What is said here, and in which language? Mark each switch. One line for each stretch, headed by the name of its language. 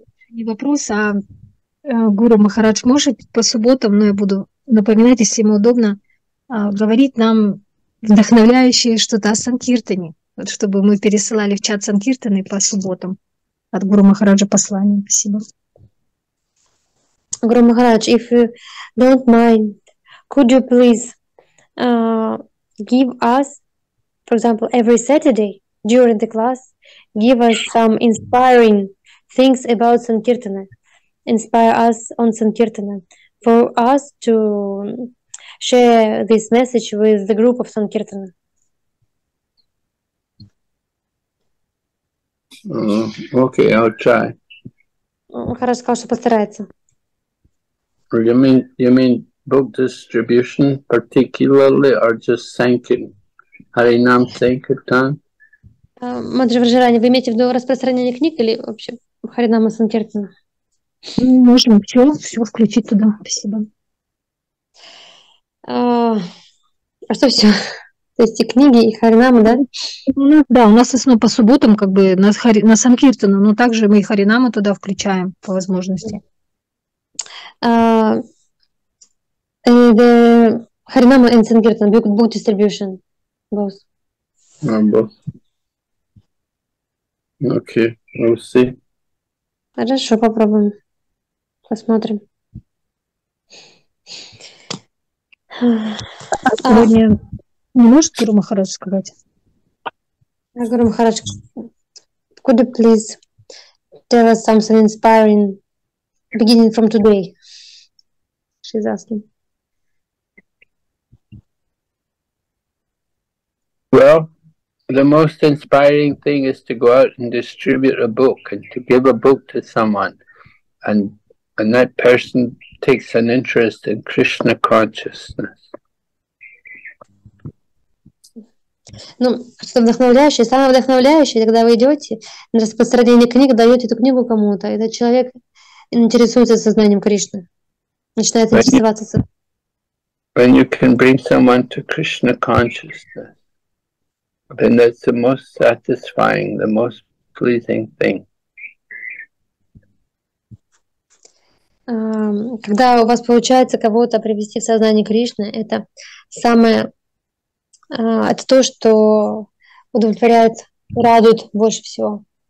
Russian: Не вопрос, а Гуру Махарадж может по субботам, но я буду напоминать, если ему удобно, говорить нам вдохновляющее что-то о Санкиртане, вот, чтобы мы пересылали в чат Санкиртаны по субботам от Гуру Махараджа послание. Спасибо.
English: Гуру Махарадж, if you don't mind, could you please give us, for example, every Saturday during the class, give us some inspiring things about Sankirtana, inspire us on Sankirtana, for us to share this message with the group of Sankirtana. Okay, I'll try.
Russian: Хорошо сказал, что постарается.
English: You mean book distribution particularly or just thanking Harinam Sankirtan?
Russian: Матри Вражарани, вы имеете в виду распространение книг или вообще Харинама Санкиртана? Можем все включить туда. Спасибо. А что все? То есть и книги, и Харинама, да? Да, у нас основа по субботам, как бы на Санкиртану, но также мы и Харинама туда включаем по возможности.
English: The Харинама and Санкиртана, book distribution, both. Both. Okay, we'll see.
Russian: Хорошо, попробуем. Посмотрим. Сегодня не можешь Гуру Махарадж сказать?
English: Гуру Махарадж, could you please tell us something inspiring beginning from today? She's asking. Well, the most inspiring thing is to go out and distribute a book and to give a book to someone, and that person takes an interest in Krishna consciousness.
Russian: Ну, что вдохновляющее, самое вдохновляющее, когда вы идете на распространение книг, даете эту книгу кому-то, и этот человек интересуется сознанием Кришны, начинает интересоваться.
English: When you can bring someone to Krishna consciousness, then that's the most satisfying, the most pleasing thing.
Russian: Когда у вас получается кого-то привести в сознание Кришны, это самое, это то, что удовлетворяет, радует больше всего.